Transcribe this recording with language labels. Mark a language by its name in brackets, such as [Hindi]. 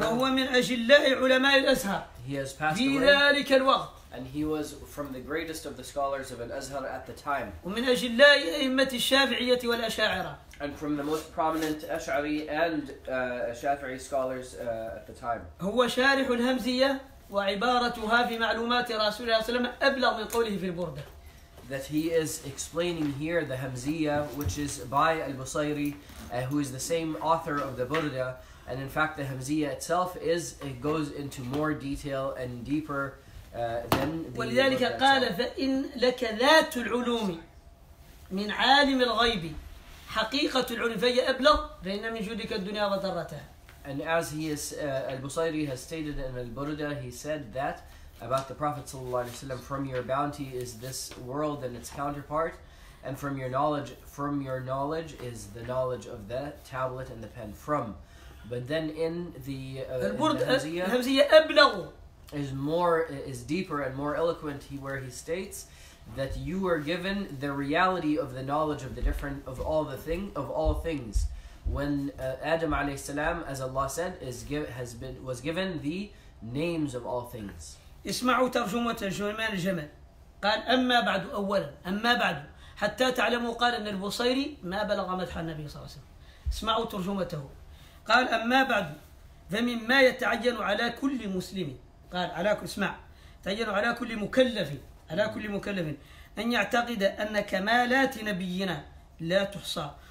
[Arabic] وهو من أجلاء علماء الأزهر. [English] He has passed away. [Arabic] في ذلك الوقت. [English] And he was from the greatest of the scholars of Al-Azhar at the time. [Arabic] ومن أجلاء أئمة الشافعية والأشاعرة. [English] And from the most prominent Ash'ari and Shafi'i scholars at the time. [Arabic] هو شارح الهمزية. وعبارتها في معلومات رسول الله صلى الله عليه وسلم أبلغ من قوله في البردة. [English] That he is explaining here the Hamziyah, which is by Al-Busayri, who is the same author of the Burda, and in fact the Hamziyah itself is it goes into more detail and deeper than the. [Arabic] ولذلك قال فإن لك ذات العلوم من عالم الغيب حقيقة العلم فهي أبلغ فإن من جودك الدنيا وضرتها. [English] And as he is, Al-Busayri has stated in Al-Burda, he said that about the Prophet ﷺ, from your bounty is this world and its counterpart, and from your knowledge is the knowledge of the tablet and the pen. From, but then in the Al-Hamziyah is deeper and more eloquent, where he states that you are given the reality of the knowledge of the different of all things. When Adam alayhi salam, as Allah said, was given the names of all things. [Arabic] اسمعوا ترجمة جمال الجمل. قال أما بعد أولا أما بعد حتى تعلموا قال أن البصيري ما بلغ مدح النبي صلى الله عليه وسلم. اسمعوا ترجمته. قال أما بعد فمما يتعين على كل مسلم قال على كل اسمع تعين على كل مكلف على كل مكلف أن يعتقد أن كمالات نبينا لا تحصى.